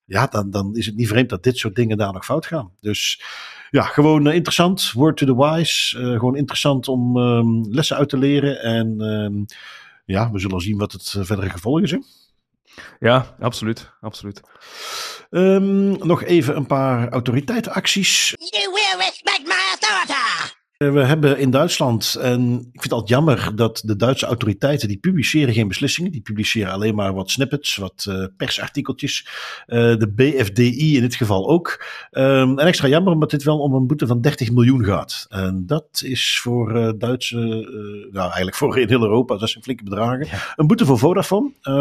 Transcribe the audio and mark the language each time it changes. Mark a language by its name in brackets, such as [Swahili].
[Dutch] Ja, dan is het niet vreemd dat dit soort dingen daar nog fout gaan. Dus ja, gewoon interessant, [English] word to the wise. [Dutch] Gewoon interessant om lessen uit te leren. En ja, we zullen zien wat het verdere gevolgen zijn. Ja, absoluut. Absoluut. Nog even een paar autoriteitenacties. [English] You will respect my authority. [Dutch] We hebben in Duitsland, en ik vind het altijd jammer dat de Duitse autoriteiten, die publiceren geen beslissingen, die publiceren alleen maar wat snippets, wat persartikeltjes. De BFDI in dit geval ook. En extra jammer omdat dit wel om een boete van 30 miljoen gaat. En dat is voor Duitse, nou eigenlijk voor in heel Europa, dat zijn flinke bedragen. Ja. Een boete voor Vodafone.